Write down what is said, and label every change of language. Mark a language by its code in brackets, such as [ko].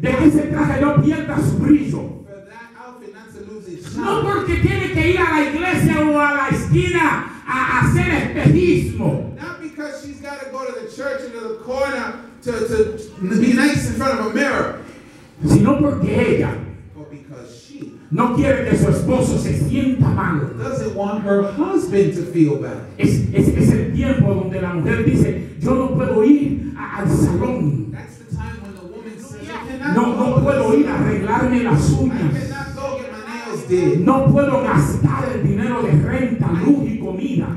[es] De que ese traje no pierda su brillo. [en] For that outfit not to lose its shine. [es] No porque tiene que ir a la iglesia o a la esquina a hacer espejismo. [en] Not because she's got to go to the church into the corner to be nice in front of a mirror. [es] Sino porque ella. [en] But because she. [es] No quiere que su esposo se sienta mal. [en] Doesn't want her husband to feel bad. [es] Es el tiempo donde la mujer dice, yo no puedo ir al salón. [en] That's the time when the woman says, yeah. [es] No puedo ir a arreglarme las uñas. [en] I cannot go get my nails did. [es] No puedo gastar el dinero de renta, luz y comida.